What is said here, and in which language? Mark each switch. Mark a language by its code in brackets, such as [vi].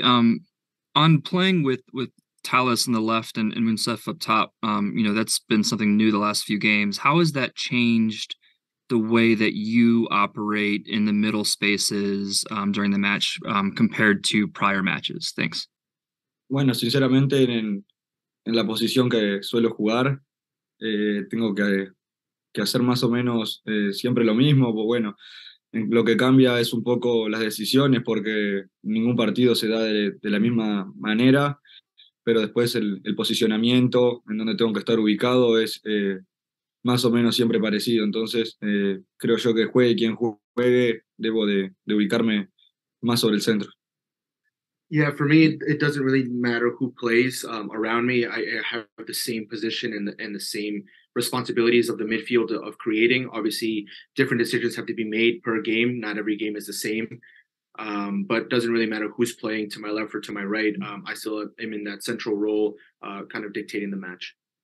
[en] On playing with Talis on the left and Munsef up top, you know, that's been something new the last few games. How has that changed the way that you operate in the middle spaces during the match compared to prior matches? Thanks. [es] Bueno, sinceramente, en la posición que suelo jugar, tengo que hacer más o menos siempre lo mismo. Pues bueno, lo que cambia es un poco las decisiones, porque ningún partido se da de la misma manera, pero después el posicionamiento en donde tengo que estar ubicado es más o menos siempre parecido. Entonces creo yo que juegue quien juegue, debo de ubicarme más sobre el centro. [en] Yeah, for me, it doesn't really matter who plays around me. I have the same position and the same responsibilities of the midfield of creating. Obviously, different decisions have to be made per game. Not every game is the same. But doesn't really matter who's playing to my left or to my right. I still am in that central role, kind of dictating the match.